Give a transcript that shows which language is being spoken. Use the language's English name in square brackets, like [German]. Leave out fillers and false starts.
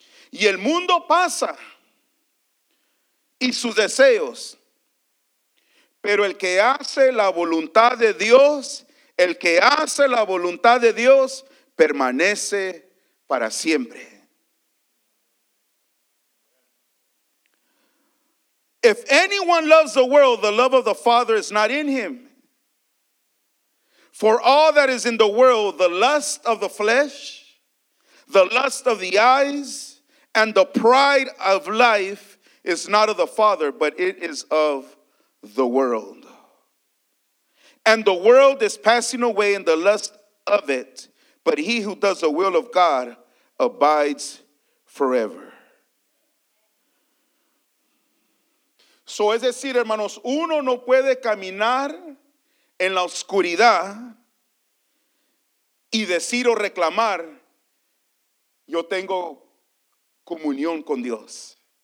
[Spanish] Y el mundo pasa y sus deseos, pero el que hace la voluntad de Dios, el que hace la voluntad de Dios permanece para siempre. [English] If anyone loves the world, the love of the Father is not in him. For all that is in the world, the lust of the flesh, the lust of the eyes, and the pride of life is not of the Father, but it is of the world. And the world is passing away in the lust of it. But he who does the will of God abides forever. [Spanish] So es decir, hermanos, uno no puede caminar en la oscuridad y decir o reclamar, yo tengo comunión con Dios.